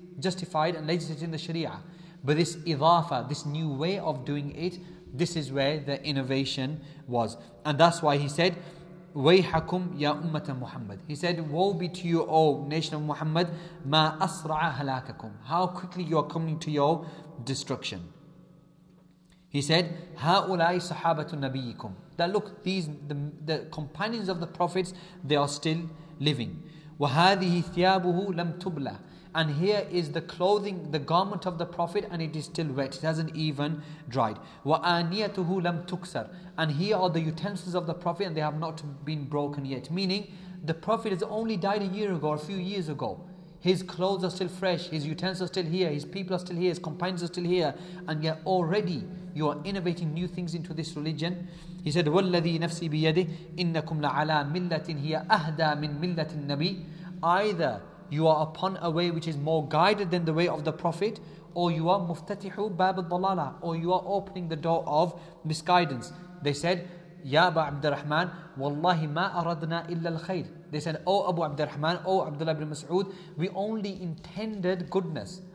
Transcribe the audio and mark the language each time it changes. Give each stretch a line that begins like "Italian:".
English: justified and legislated in the Sharia. But this idafa, this new way of doing it, this is where the innovation was. And that's why he said,
Arabic: وَيْحَكُمْ يَا أُمَّةَ مُحَمَّدٍ.
English: He said, woe be to you, O nation of Muhammad,
Arabic: مَا أَسْرَعَ هَلَاكَكُمْ.
English: How quickly you are coming to your destruction. He said,
Arabic: هَؤُلَاءِ صَحَابَةُ نَبِيِّكُمْ.
English: That look, these the companions of the prophets, they are still living.
Arabic: وَهَذِهِ ثِيَابُهُ لَمْ تُبْلَى.
English: And here is the clothing, the garment of the Prophet, and it is still wet. It hasn't even dried.
Arabic: وَآنِيَتُهُ لَمْ تُكْسَرْ.
English: And here are the utensils of the Prophet, and they have not been broken yet. Meaning, the Prophet has only died a year ago, or a few years ago. His clothes are still fresh, his utensils are still here, his people are still here, his companions are still here. And yet already, you are innovating new things into this religion. He said,
Arabic: وَالَّذِي نَفْسِي بِيَدِهِ إِنَّكُمْ لَعَلَى مِلَّةٍ هِيَ أَهْدَى مِنْ مِلَّةِ النَّبِي.
English: Either you are upon a way which is more guided than the way of the Prophet, or you are
Arabic: muftatihu bab al-dalala,
English: or you are opening the door of misguidance. They said,
Arabic: Ya Abu Abdurrahman, Wallahi ma aradna illa al-khayr.
English: They said, O Abu Abdurrahman, O Abdullah ibn Mas'ud, we only intended goodness.